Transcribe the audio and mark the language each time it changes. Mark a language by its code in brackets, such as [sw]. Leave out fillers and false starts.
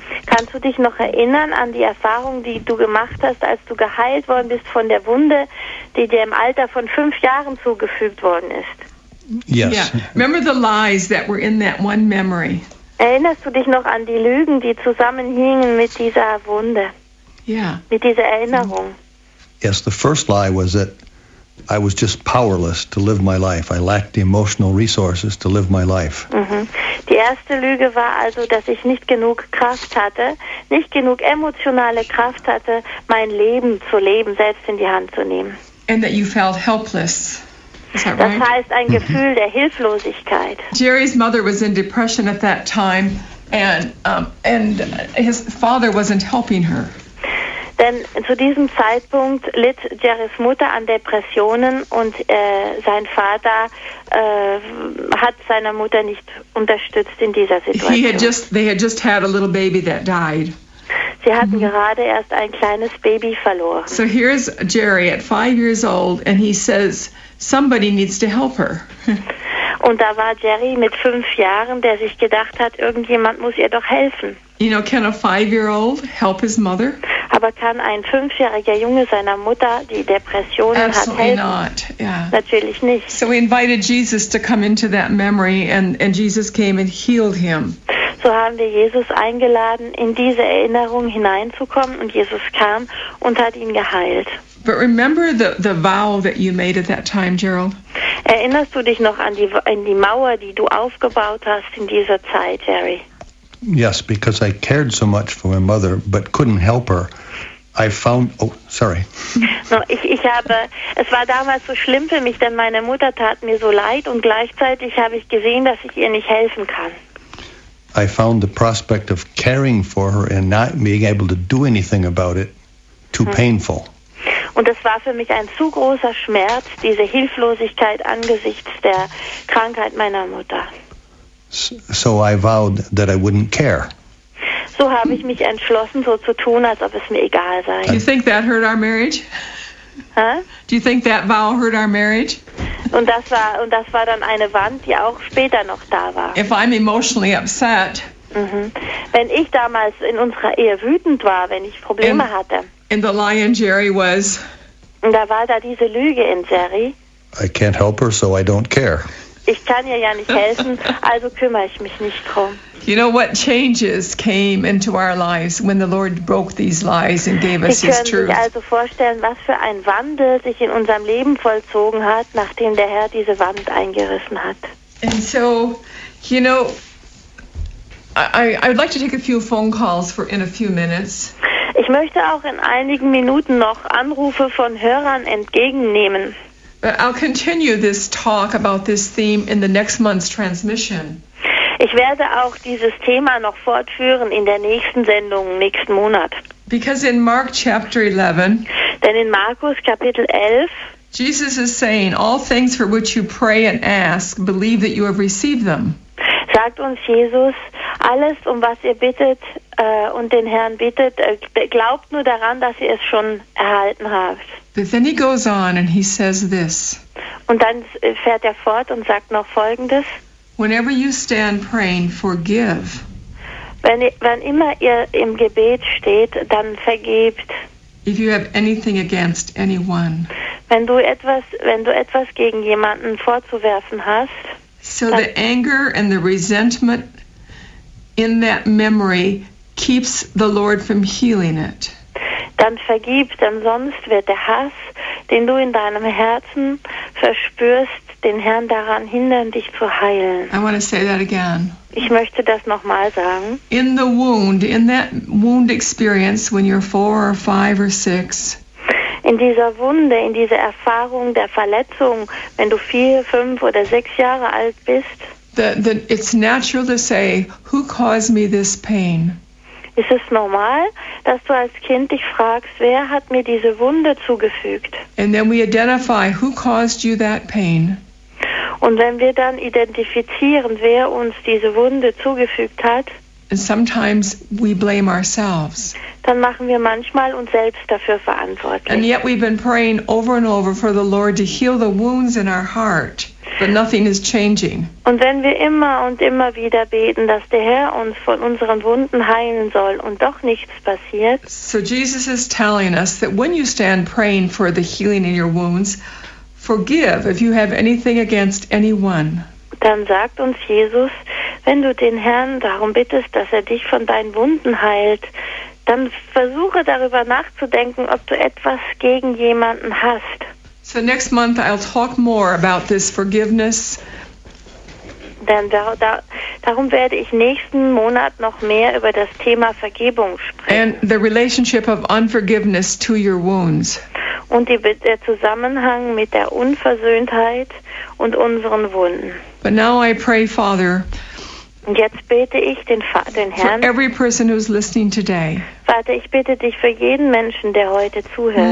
[de] Kannst du dich noch erinnern an die Erfahrung, die du gemacht hast, als du geheilt worden bist von der Wunde, die dir im Alter von 5 Jahren zugefügt worden ist? [en] Yes. Yeah. Remember the lies that were in that one memory? [de] Erinnerst du dich noch an die Lügen, die zusammenhingen mit dieser Wunde? [en] Yeah. [de] Mit dieser Erinnerung? [en] Yes, the first lie was that I was just powerless to live my life. I lacked the emotional resources to live my life. Mm-hmm. [de] Die erste Lüge war also, dass ich nicht genug Kraft hatte, nicht genug emotionale Kraft hatte, mein Leben zu leben, selbst in die Hand zu nehmen. [en] And that you felt helpless. [de] Das [en] right? [de] heißt ein Gefühl der Hilflosigkeit. [en] Jerry's mother was in depression at that time, and his father wasn't helping her. [de] Denn zu diesem Zeitpunkt litt Jerrys Mutter an Depressionen und sein Vater hat seiner Mutter nicht unterstützt in dieser Situation. [en] They had just had a little baby that died. [de] Sie hatten gerade erst ein kleines Baby verloren. [en] So here's Jerry at 5 years old and he says, somebody needs to help her. [de] Und da war Jerry mit 5 Jahren, der sich gedacht hat, irgendjemand muss ihr doch helfen. [en] You know, can a 5-year-old help his mother? [de] Aber kann ein 5-jähriger Junge seiner Mutter, die Depressionen [en] Absolutely [de] hat, helfen? [en] Not. Yeah. [de] Natürlich nicht. [en] So we invited Jesus to come into that memory and Jesus came and healed him. [de] So haben wir Jesus eingeladen, in diese Erinnerung hineinzukommen und Jesus kam und hat ihn geheilt. [en] But remember the vow that you made at that time, Gerald? [de] Erinnerst du dich noch an die Mauer, die du aufgebaut hast in dieser Zeit, Jerry? [en] Yes, because I cared so much for my mother, but couldn't help her. I found. Oh, sorry. [de] No, ich habe. Es war damals so schlimm für mich, denn meine Mutter tat mir so leid und gleichzeitig habe ich gesehen, dass ich ihr nicht helfen kann. [en] I found the prospect of caring for her and not being able to do anything about it too painful. [de] Und es war für mich ein zu großer Schmerz, diese Hilflosigkeit angesichts der Krankheit meiner Mutter. [en] So I vowed that I wouldn't care. [de] So habe ich mich entschlossen, so zu tun, als ob es mir egal sei. [en] Do you think that hurt our marriage? Huh? Do you think that vow hurt our marriage? [de] Und das war dann eine Wand, die auch später noch da war. [en] If I'm emotionally upset, [de] wenn ich damals in unserer Ehe wütend war, wenn ich Probleme hatte. [en] And the lie in Jerry was. [de] Und da war da diese Lüge in Jerry. [en] I can't help her, so I don't care. [de] Ich kann ihr ja nicht helfen, also kümmere ich mich nicht drum. [en] You know what changes came into our lives when the Lord broke these lies and gave us His truth. [de] Ich kann mir also vorstellen, was für ein Wandel sich in unserem Leben vollzogen hat, nachdem der Herr diese Wand eingerissen hat. [en] And so, you know, I would like to take a few phone calls for in a few minutes. [de] Ich möchte auch in einigen Minuten noch Anrufe von Hörern entgegennehmen. [en] But I'll continue this talk about this theme in the next month's transmission. [de] Ich werde auch dieses Thema noch fortführen in der nächsten Sendung nächsten Monat. [en] Because in Mark chapter 11, [de] denn in Markus Kapitel 11, [en] Jesus is saying, all things for which you pray and ask, believe that you have received them. [de] Sagt uns Jesus, alles, um was ihr bittet und den Herrn bittet, glaubt nur daran, dass ihr es schon erhalten habt. [en] But then he goes on and he says this. [de] Und dann fährt er fort und sagt noch Folgendes. [en] Whenever you stand praying, forgive. [de] Wenn immer ihr im Gebet steht, dann vergebt. [en] If you have anything against anyone. [de] Wenn du etwas gegen jemanden vorzuwerfen hast. [en] So the anger and the resentment in that memory keeps the Lord from healing it. [de] Dann vergib, denn sonst wird der Hass, den du in deinem Herzen verspürst, den Herrn daran hindern, dich zu heilen. [en] I want to say that again. [de] Ich möchte das nochmal sagen. [en] In the wound, in that wound experience when you're 4 or 5 or 6. [de] In dieser Wunde, in dieser Erfahrung der Verletzung, wenn du 4, 5 oder 6 Jahre alt bist. [en] It's natural to say, who caused me this pain? [de] Ist es normal, dass du als Kind dich fragst, wer hat mir diese Wunde zugefügt? [en] And then we identify who caused you that pain. [de] Und wenn wir dann identifizieren, wer uns diese Wunde zugefügt hat, [en] and sometimes we blame ourselves. [de] Dann machen wir manchmal uns selbst dafür verantwortlich. [en] And yet we've been praying over and over for the Lord to heal the wounds in our heart. But nothing is changing. [de] Und wenn wir immer und immer wieder beten, dass der Herr uns von unseren Wunden heilen soll und doch nichts passiert. [en] So Jesus is telling us that when you stand praying for the healing in your wounds, forgive if you have anything against anyone. [de] Dann sagt uns Jesus, wenn du den Herrn darum bittest, dass er dich von deinen Wunden heilt, dann versuche darüber nachzudenken, ob du etwas gegen jemanden hast. [en] So next month I'll talk more about this forgiveness. [de] Dann darum werde ich nächsten Monat noch mehr über das Thema Vergebung sprechen. [en] And the relationship of unforgiveness to your wounds. [de] Und der Zusammenhang mit der Unversöhntheit und unseren Wunden. [en] But now I pray, Father. [de] Und jetzt bete ich den Herrn. [en] For every person who's listening today. [de] Vater, ich bitte dich für jeden Menschen, der heute zuhört.